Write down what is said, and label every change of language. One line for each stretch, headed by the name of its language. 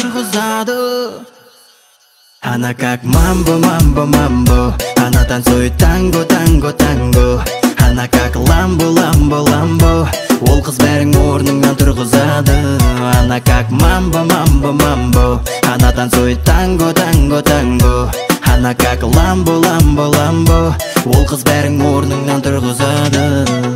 Russian: Она как мамбо, мамбо, мамбо. Она танцует танго, танго, танго. Она как ламбо, ламбо, ламбо.
Kazakh: Ол қыз бәрін орныңнан тұрғызады.
Russian: Она как мамбо, мамбо, мамбо. Она танцует танго, танго, танго. Она как ламбо, ламбо, ламбо.
Kazakh: Ол қыз бәрін орныңнан тұрғызады.